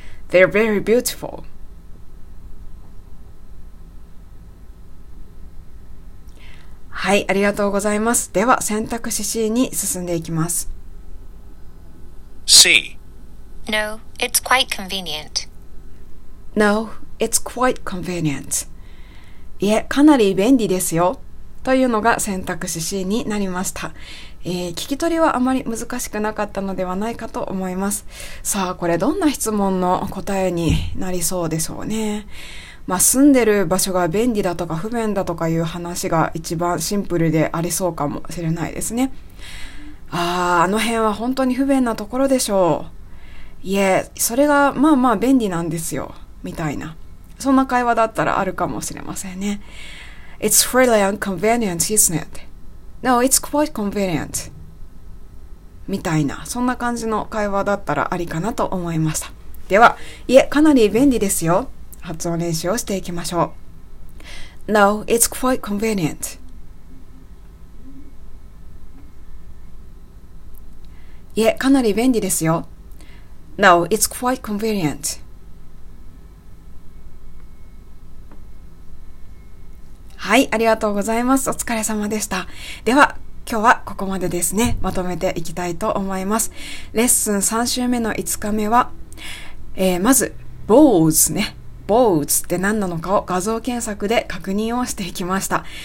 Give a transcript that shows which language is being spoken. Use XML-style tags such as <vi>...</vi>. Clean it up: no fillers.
<en>They're very beautiful.</en> <ja>はい、ありがとうございます。では選択肢 C に進んでいきます。</ja> <en>C. No, it's quite convenient No, it's quite convenient.</en> <ja>いえ、かなり便利ですよ。というのが選択肢 C になりました、聞き取りはあまり難しくなかったのではないかと思います。さあ、これどんな質問の答えになりそうでしょうね。まあ、住んでる場所が便利だとか不便だとかいう話が一番シンプルでありそうかもしれないですね。あの辺は本当に不便なところでしょう。いえ、それがまあまあ便利なんですよ、みたいな。そんな会話だったらあるかもしれませんね。</ja> <en>It's really inconvenient, isn't it? No, it's quite convenient.</en> <ja>みたいな、そんな感じの会話だったらありかなと思いました。では、いえ、かなり便利ですよ。発音練習をしていきましょう。</ja> <en>No, it's quite convenient.</en> <ja>いえ、かなり便利ですよ。</ja> <en>No, it's quite convenient.</en> <ja>はい、ありがとうございます。お疲れ様でした。では、今日はここまでですね。まとめていきたいと思います。レッスン3週目の5日目は、まず、balls ね。 balls って何なのかを画像検索で確認をしていきました。</ja>